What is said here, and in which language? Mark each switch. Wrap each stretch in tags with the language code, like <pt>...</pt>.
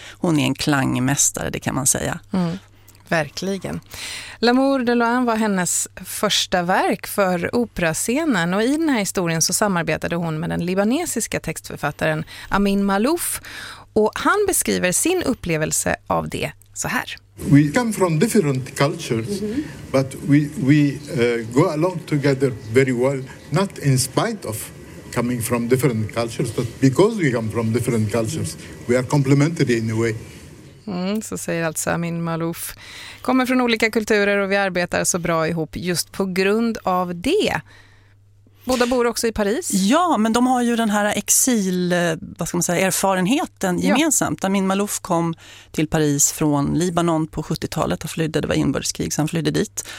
<sv>Hon är en klangmästare, det kan man säga. Mm, verkligen. L'amour de loin var hennes första verk för operascenen, och i den här historien så samarbetade hon med den libanesiska textförfattaren Amin Malouf. Och han beskriver sin upplevelse av det så här.</sv> <en>We come from different cultures, but we go along together very well, not in spite of coming from different cultures, but because we come from different cultures, we are complementary in a way.</en> <sv>Så säger alltså Amin Malouf. Kommer från olika kulturer och vi arbetar så bra ihop just på grund av det. Båda bor också i Paris. Ja, men de har ju den här exil, vad ska man säga, erfarenheten gemensamt. Ja. Amin Malouf kom till Paris från Libanon på 70-talet och flydde, det var inbördeskrig, så han flydde dit.</sv>